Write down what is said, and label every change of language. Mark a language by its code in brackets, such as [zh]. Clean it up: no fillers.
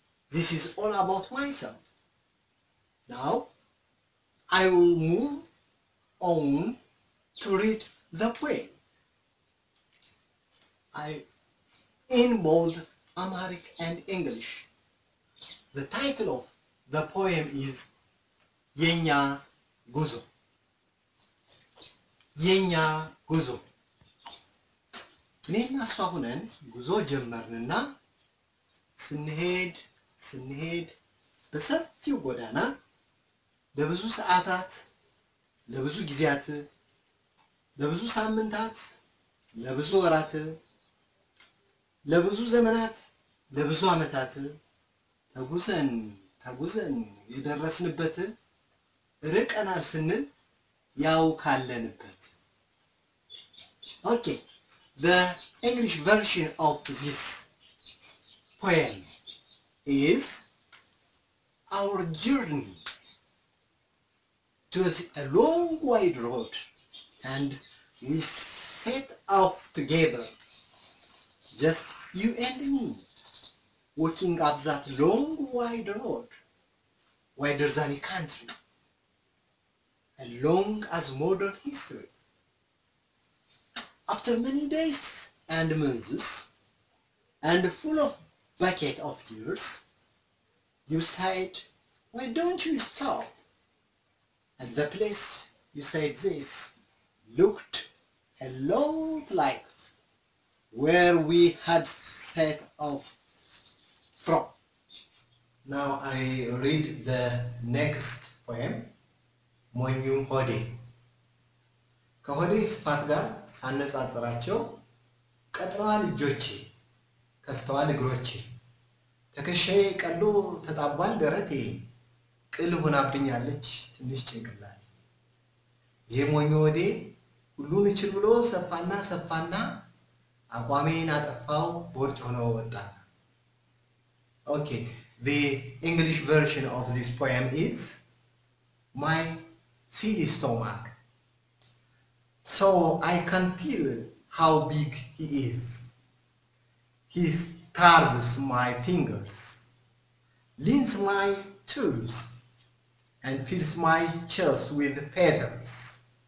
[en] This is all about myself. Now, I will move on to read the poem. In both Amharic and English, the title of the poem is Yenya Guzo. Yenya Guzo. [am] እኔና እሷ ሆነን ጉዞ ጀመርንና ስንሄድ በሰፊው ጎዳና ለብዙ ሰዓታት ለብዙ ጊዜያት ለብዙ ሳምንታት ለብዙ ወራት ለብዙ ዘመናት ለብዙ ዓመታት ተጉዘን የደረስንበት ርቀናል ስንል ያው ካለንበት ኦኬ. [en] The English version of this poem is our journey to a long wide road, and we set off together, just you and me, walking up that long wide road, wider than a country, and long as modern history. After many days and months, and full of bucket of tears, you said, why don't you stop? And the place you said this looked a lot like where we had set off from. Now I read the next poem, Monyu Hode. [am] ከሆዴ ስፋት ጋር ሳነጻጽራቸው ቀጥረዋል እጆቼ ከስተዋል እግሮቼ ተከሻዬ ቀሎ ተጣቧል ደረቴ ቅል ሆናብኛለች ትንሽ ጭንቅላት ይህ ሞኝ ሆዴ ሁሉን እችል ብሎ ሰፋና አቋሜን አጠፋው ቦርጭ ሆነው ወጣ። [en] ኦኬ ዘ ኢንግሊሽ ቨርሽን ኦፍ ዚስ ፖየም ኢዝ ማይ ሲሊ ስቶማክ. So I can feel how big he is. He starves my fingers, leans my toes, and fills my chest with feathers.